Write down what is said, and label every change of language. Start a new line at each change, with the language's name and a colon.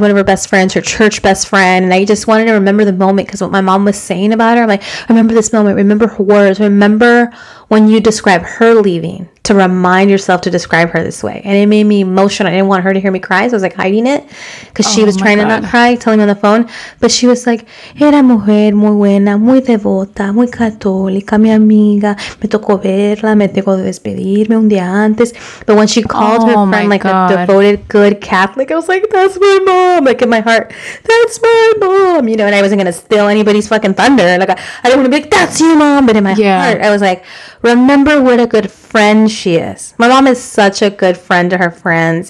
English: One of her best friends, her church best friend, and I just wanted to remember the moment, because what my mom was saying about her, I'm like, remember this moment, remember her words, remember when you describe her leaving, to remind yourself to describe her this way. And it made me emotional. I didn't want her to hear me cry, so I was like hiding it, because she was trying to not cry, telling me on the phone. But she was like,
Spanish: era mujer muy buena, muy devota, muy católica, mi amiga, me tocó verla, me tocó despedirme un día antes.
English: But when she called her friend like a devoted, good Catholic, I was like, that's my mom. Like, in my heart, that's my mom, you know. And I wasn't gonna steal anybody's fucking thunder. Like, I didn't want to be like, that's you, mom. But in my heart, I was like, remember what a good friend she is. My mom is such a good friend to her friends.